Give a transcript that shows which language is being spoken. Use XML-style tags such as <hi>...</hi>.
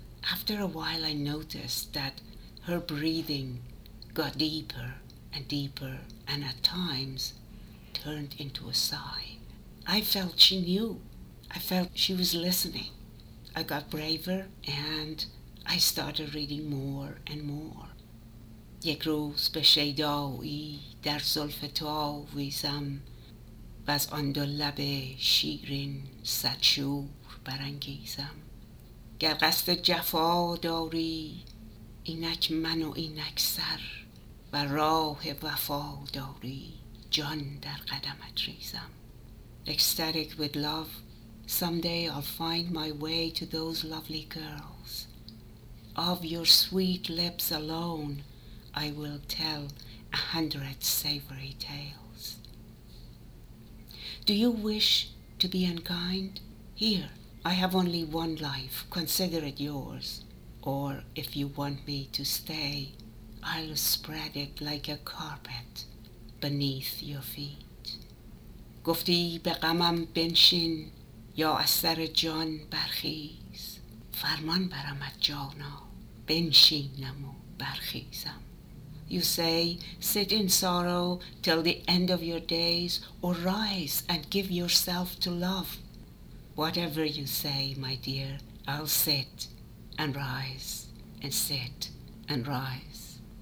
<en>After a while, I noticed that her breathing got deeper and deeper, and at times turned into a sigh. I felt she knew. I felt she was listening. I got braver and I started reading more and more.</en> <fa>یک روز به شیدایی در زلف تو ویزم و از آن دو لب شیرین صد شور برانگیزم. گر قصد جفا داری اینک من و اینک سر، و راه وفا داری جان در قدمت ریزم.</fa> <en>Ecstatic with love, someday I'll find my way to those lovely girls. Of your sweet lips alone I will tell 100 savory tales. Do you wish to be unkind? Here, I have only one life. Consider it yours. Or if you want me to stay, I'll spread it like a carpet beneath your feet.</en> <fa>گفتی به غمم بنشین یا از سر جان برخیز. فرمان برم از جانا بنشینم و برخیزم.</fa> <en>You say, sit in sorrow till the end of your days, or rise and give yourself to love. Whatever you say, my dear, I'll sit and rise and sit and rise.</en>